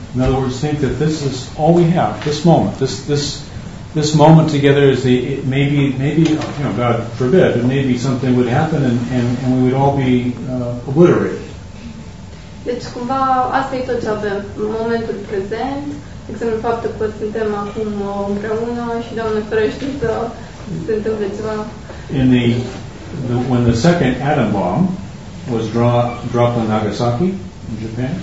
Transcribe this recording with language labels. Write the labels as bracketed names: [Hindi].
[English] In other words, think that this is all we have, this moment, this moment together is the maybe you know, God forbid, but maybe something would happen and we would all be obliterated. [Romanian] Deci cumva asta e tot ce avem, momentul prezent, de exemplu faptul că suntem acum împreună și Doamne ferește să se întâmple ceva. [English] In the when the second atom bomb was dropped on Nagasaki in Japan.